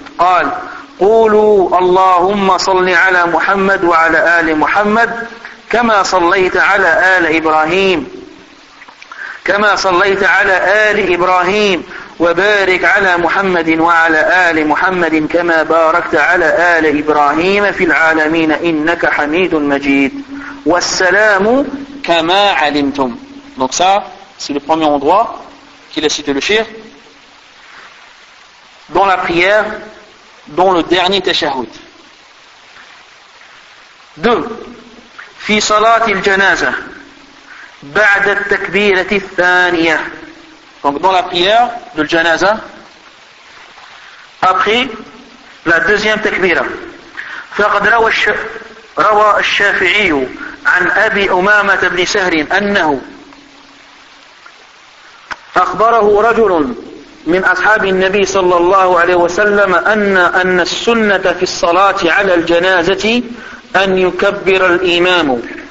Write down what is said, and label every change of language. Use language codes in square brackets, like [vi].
[ar] قال قولوا اللهم صل على محمد وعلى آل محمد كما صليت على آل إبراهيم كما صليت على آل إبراهيم وبارك على محمد وعلى آل محمد كما باركت على آل إبراهيم في العالمين إنك حميد مجيد والسلام كما علمتم. [fr] Donc ça, c'est le premier endroit qu'il a cité le Cheikh dans la prière, dans le dernier tashahhud. 2. [ar] في صلاة الجنازة بعد التكبيرة الثانية. [fr] Donc dans la prière de la janaza, après la deuxième takbira. [ar] فقد روى الشافعي عن أبي أمامة بن سهر أنه أخبره رجل من أصحاب النبي صلى الله عليه وسلم أن السنة في الصلاة على الجنازة أن يكبر الإمام